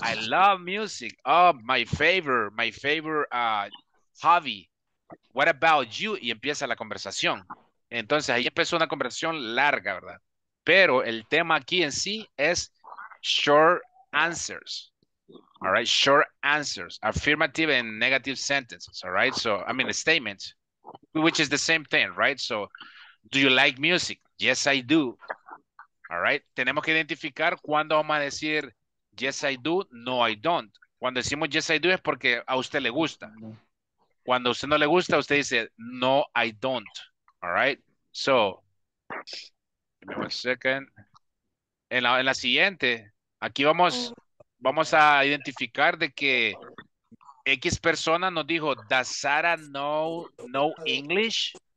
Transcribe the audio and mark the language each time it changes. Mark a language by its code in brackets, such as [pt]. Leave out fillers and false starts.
[en] I love music. Oh, my favorite hobby. What about you? [es] Y empieza la conversación. Entonces, ahí empezó una conversación larga, ¿verdad? Pero el tema aquí en sí es short answers. [en] All right, short answers. Affirmative and negative sentences, all right? So, I mean, statements, which is the same thing, right? So, do you like music? Yes, I do. All right. [es] Tenemos que identificar cuándo vamos a decir [en] yes, I do. No, I don't. [es] Cuando decimos [en] yes, I do [es] es porque a usted le gusta. Cuando a usted no le gusta, usted dice [en] no, I don't. All right. So, give me one second. [es] En la siguiente, aquí vamos a identificar de que X persona nos dijo, [en] does Sarah know English?